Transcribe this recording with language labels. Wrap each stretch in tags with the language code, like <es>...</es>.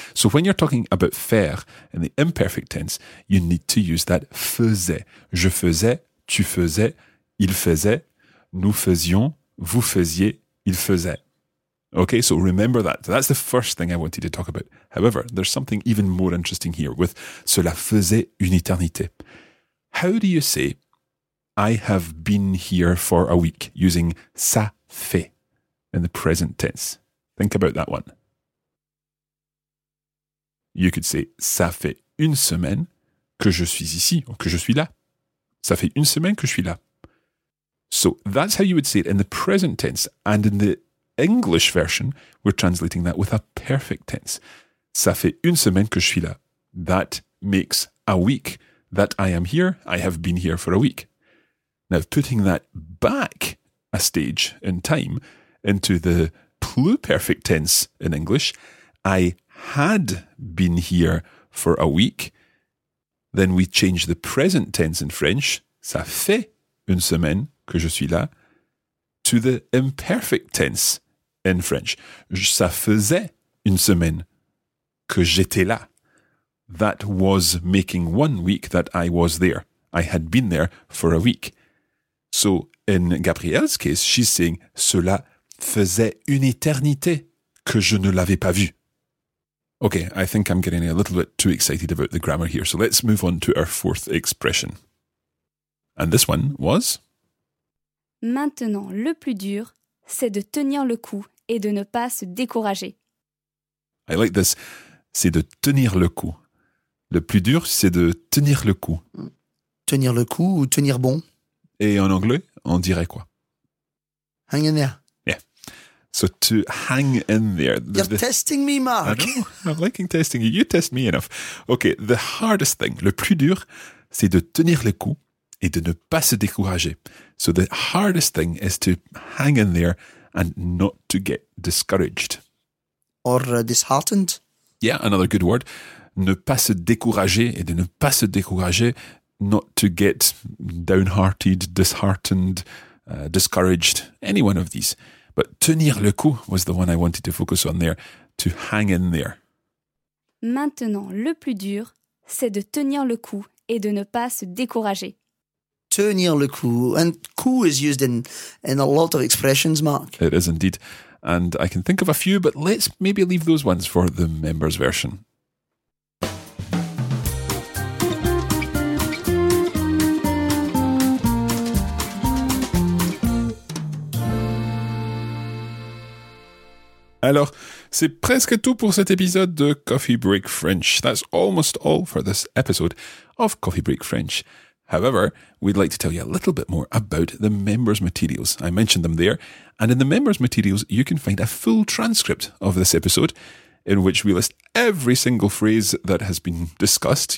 <en>So when you're talking about faire in the imperfect tense, you need to use that faisait.</en> <fr>Je faisais, tu faisais, il faisait, nous faisions, vous faisiez, il faisait.</fr> <en>Okay, so remember that. That's the first thing I wanted to talk about. However, there's something even more interesting here with</en> <fr>cela faisait une éternité.</fr> <en>How do you say... I have been here for a week, using ça fait in the present tense. Think about that one.</en> <fr>You could say, ça fait une semaine que je suis ici, ou que je suis là. Ça fait une semaine que je suis là.</fr> <en>So that's how you would say it in the present tense. And in the English version, we're translating that with a perfect tense.</en> <fr>Ça fait une semaine que je suis là.</fr> <en>That makes a week that I am here. I have been here for a week. Now, putting that back a stage in time into the pluperfect tense in English, I had been here for a week. Then we change the present tense in French,</en> <fr>ça fait une semaine que je suis là,</fr> <en>to the imperfect tense in French,</en> <fr>ça faisait une semaine que j'étais là.</fr> <en>That was making 1 week that I was there. I had been there for a week. So in Gabrielle's case, she's saying,</en> <fr>cela faisait une éternité que je ne l'avais pas vu.</fr> <en>Okay, I think I'm getting a little bit too excited about the grammar here. So let's move on to our fourth expression. And this one was...</en> <fr>Maintenant, le plus dur, c'est de tenir le coup et de ne pas se décourager.</fr> <en>I like this.</en> <fr>C'est de tenir le coup. Le plus dur, c'est de tenir le coup. Tenir le coup ou tenir bon? Et en anglais, on dirait quoi?</fr> <en>Hang in there. So to hang in there. You're testing me, Mark. I know, I'm liking testing you. You test me enough. Okay, the hardest thing,</en> <fr>le plus dur, c'est de tenir le coup et de ne pas se décourager.</fr> <en>So the hardest thing is to hang in there and not to get discouraged. Or disheartened. Yeah, another good word.</en> <fr>Ne pas se décourager</fr> <en>et de ne pas se décourager, not to get downhearted, disheartened, discouraged, any one of these. But</en> <fr>tenir le coup</fr> <en>was the one I wanted to focus on there, to hang in there.</en> <fr>Maintenant, le plus dur, c'est de tenir le coup et de ne pas se décourager. Tenir le coup,</fr> <en>and coup is used in a lot of expressions, Mark. It is indeed, and I can think of a few, but let's maybe leave those ones for the members' version.</en> <fr>Alors, c'est presque tout pour cet épisode de Coffee Break French.</fr> <en>That's almost all for this episode of Coffee Break French. However, we'd like to tell you a little bit more about the members' materials. I mentioned them there. And in the members' materials, you can find a full transcript of this episode in which we list every single phrase that has been discussed.</en>